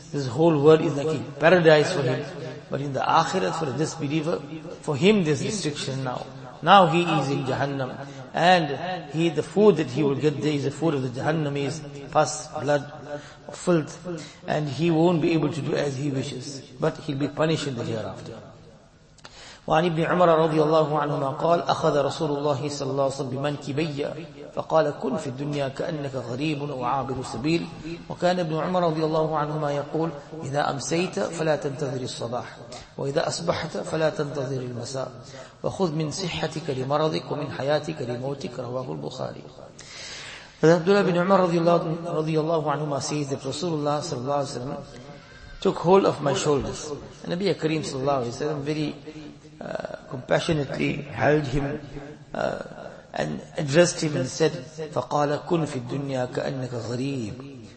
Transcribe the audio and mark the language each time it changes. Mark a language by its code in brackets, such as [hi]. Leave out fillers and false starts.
[en] This whole world is like a paradise for him. But in the akhirah, for a disbeliever, for him there is restriction now. Now he is in Jahannam. And the food that he will get there is the food of the Jahannam, is pus, blood, filth, and he won't be able to do as he wishes, but he'll be punished in the hereafter. [ar] وعن ابن عمر رضي الله عنهما قال أخذ رسول الله صلى الله عليه وسلم بمنكبي فقال كن في الدنيا كأنك غريب وعابر سبيل وكان ابن عمر رضي الله عنهما يقول إذا أمسيت فلا تنتظر الصباح وإذا أصبحت فلا تنتظر المساء وخذ من صحتك لمرضك ومن حياتك لموتك رواه البخاري. [en] Abdullah ibn Umar radiyallahu anhu says that Rasulullah sallallahu alayhi wa sallam took hold of my shoulders. And Nabi Kareem sallallahu alayhi wa sallam very compassionately held him and addressed him and said, [ar] فَقَالَ كُنْ فِي الدُّنْيَا كَأَنَّكَ غَرِيبٌ.